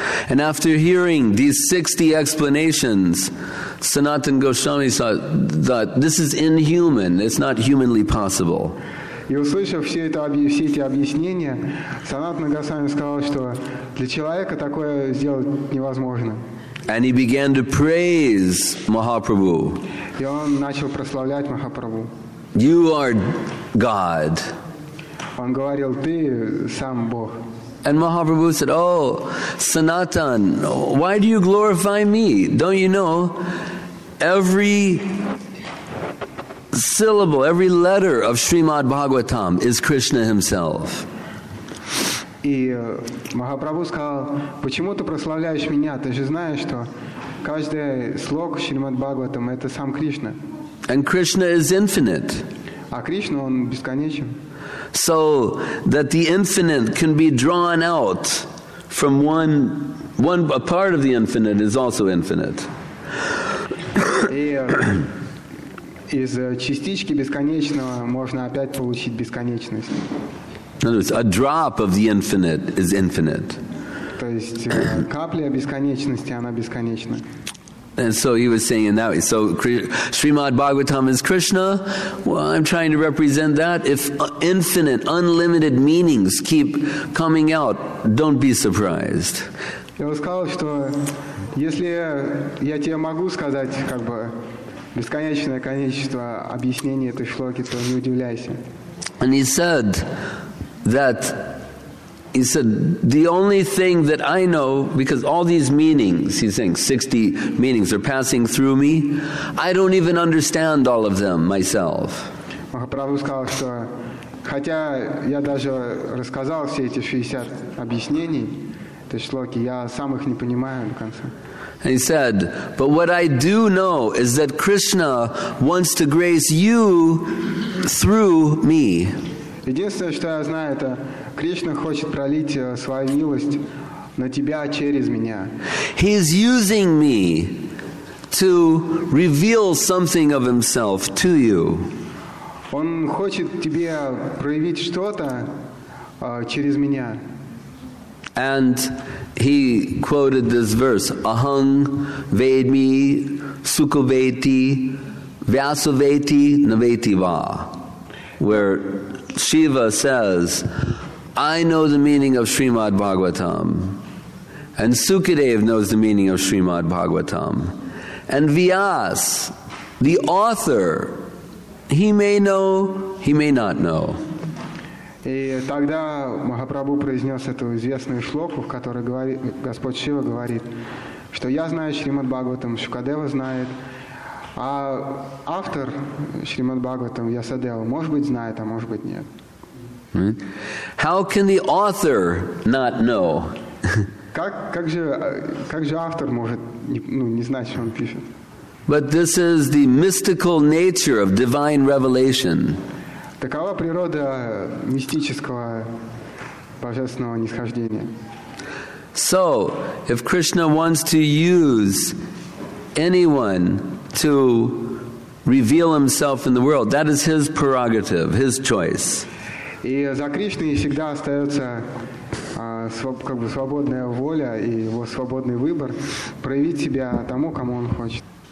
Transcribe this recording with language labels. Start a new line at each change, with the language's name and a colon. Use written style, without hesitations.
English: And after hearing these 60 explanations, Sanatan Goswami thought, this is inhuman, it's not humanly possible.
Russian: И услышав все эти объяснения, Санатана Госвами сказал, что для человека такое сделать невозможно.
English: And he began to praise Mahaprabhu.
Russian: И он начал прославлять Махапрабху.
English: You are God.
Russian: Он говорил, ты сам Бог.
English: And Mahaprabhu said, oh, Sanatan, why do you glorify me? Don't you know, syllable, every letter of Srimad Bhagavatam is Krishna himself.
Russian: И Махапрабху сказал, почему ты прославляешь меня? Ты же знаешь, что каждый слог Шримад Бхагаватам это сам Кришна.
English: And Krishna is infinite.
Russian: А Кришна, он бесконечен.
English: So that the infinite can be drawn out from one a part of the infinite is also infinite.
Russian: Из частички бесконечного можно опять получить бесконечность.
English: In other words, a drop of the infinite is infinite.
Russian: То есть капля бесконечности, она бесконечна.
English: And so he was saying in that way. So Srimad Bhagavatam is Krishna. Well, I'm trying to represent that. If infinite, unlimited meanings keep coming out, don't be surprised.
Russian: Я вам сказал, что если я тебе могу сказать, как бы бесконечное количество объяснений этой шлоки, то не удивляйся.
English: And he said, the only thing that I know, because all these meanings, he's saying 60 meanings are passing through me, I don't even understand all of them myself.
Russian: Махапрабху сказал, что хотя я даже рассказал все эти 60 объяснений, этой шлоки, я сам их не понимаю до конца.
English: And he said, but what I do know is that Krishna wants to grace you through me.
Russian: Единственное, что я знаю, это Кришна хочет пролить свою милость на тебя через меня.
English: He is using me to reveal something of himself to you.
Russian: Он хочет тебе проявить что-то через меня.
English: And he quoted this verse,
Sanskrit: Ahang Vedmi Sukhaveti Vyasaveti Naveti Va,
English: where Shiva says, I know the meaning of Srimad Bhagavatam, and Sukadev knows the meaning of Srimad Bhagavatam, and Vyas, the author, he may know, he may not know.
Russian: И тогда Махапрабху произнес эту известную шлоку, в которой говорит, Господь Шива говорит, что я знаю Шримад Бхагаватам, Шукадева знает, а автор Шримад Бхагаватам, Ясадева, может быть, знает, а может быть, нет.
English: How can the author not know?
Russian: Как же автор может не знать, что он пишет?
English: But this is the mystical nature of divine revelation.
Russian: Такова природа мистического божественного нисхождения.
English: So, if Krishna wants to use anyone to reveal himself in the world, that is his prerogative, his choice.
Russian: И за Кришной всегда остается как бы свободная воля и его свободный выбор проявить себя тому, кому он хочет.